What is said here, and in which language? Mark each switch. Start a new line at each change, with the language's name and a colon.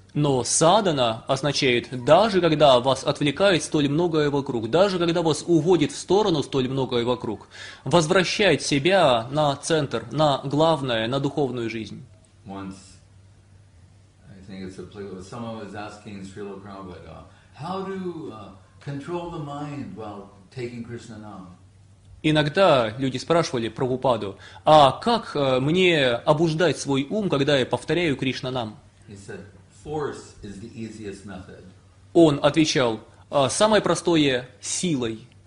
Russian: Но садхана означает, даже когда вас отвлекает столь многое вокруг, даже когда вас уводит в сторону столь многое вокруг, возвращает себя на центр, на главное, на духовную жизнь.
English: Once, I think it's applicable, someone was asking Srila Prabhupada, how to control the mind while taking Krishna nam?
Russian: Иногда люди спрашивали Прабхупаду, а как мне обуждать свой ум, когда я повторяю Кришна нам?
English: He said, force is the easiest method.
Russian: Он отвечал, самое простое – силой.